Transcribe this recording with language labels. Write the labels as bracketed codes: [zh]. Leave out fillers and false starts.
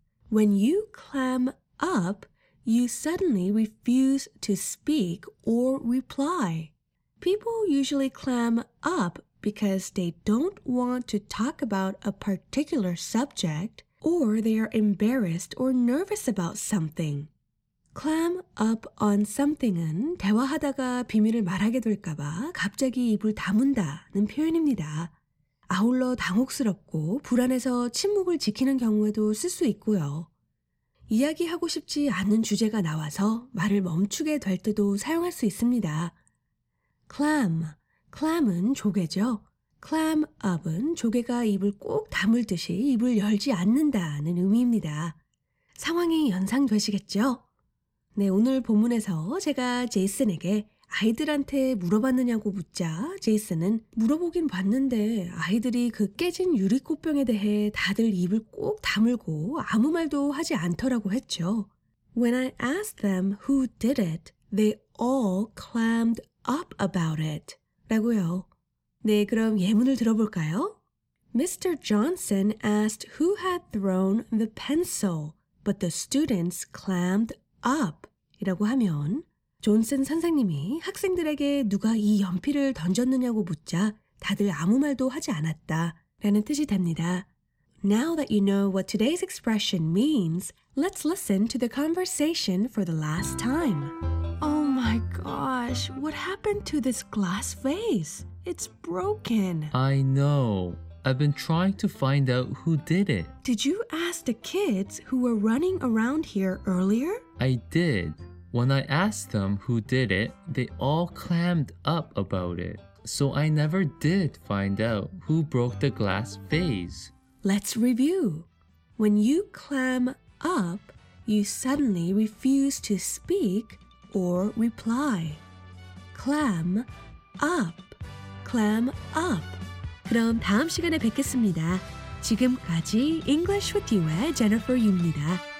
[en] When you clam up, you suddenly refuse to speak or reply. People usually clam up because they don't want to talk about a particular subject or they are embarrassed or nervous about something. [ko] Clam up on something은 대화하다가 비밀을 말하게 될까봐 갑자기 입을 다문다는 표현입니다. 아울러 당혹스럽고 불안해서 침묵을 지키는 경우에도 쓸 수 있고요. 이야기하고 싶지 않은 주제가 나와서 말을 멈추게 될 때도 사용할 수 있습니다. Clam, clam은 조개죠. Clam up은 조개가 입을 꼭 다물듯이 입을 열지 않는다는 의미입니다. 상황이 연상되시겠죠? 네, 오늘 본문에서 제가 제이슨에게 아이들한테 물어봤느냐고 묻자 제이슨은 물어보긴 봤는데 아이들이 그 깨진 유리꽃병에 대해 다들 입을 꼭 다물고 아무 말도 하지 않더라고 했죠. [en] When I asked them who did it, they all clammed up about it. [ko] 라고요. 네, 그럼 예문을 들어볼까요? [en] Mr. Johnson asked who had thrown the pencil, but the students clammed up. [ko] 이라고 하면 존슨 선생님이 학생들에게 누가 이 연필을 던졌느냐고 묻자 다들 아무 말도 하지 않았다 라는 뜻이 됩니다. [en] Now that you know what today's expression means, let's listen to the conversation for the last time. Oh my gosh, what happened to this glass vase? It's broken. I know. I've been trying to find out who did it. Did you ask the kids who were running around here earlier? I did. When I asked them who did it, they all clammed up about it. So I never did find out who broke the glass vase. Let's review. When you clam up, you suddenly refuse to speak or reply. Clam up. Clam up. [ko] 그럼 다음 시간에 뵙겠습니다. 지금까지 English with You의 Jennifer Yu입니다.